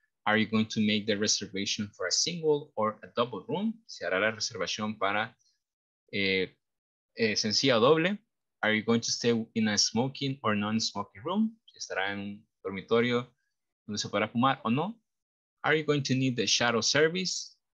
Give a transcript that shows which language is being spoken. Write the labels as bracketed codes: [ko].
[en] Are you going to make the reservation for a single or a double room? [es] ¿Se hará la reservación para sencilla o doble? [en] Are you going to stay in a smoking or non-smoking room? [es] ¿Estará en un dormitorio donde se podrá fumar o no? [en] Are you going to need the shuttle service?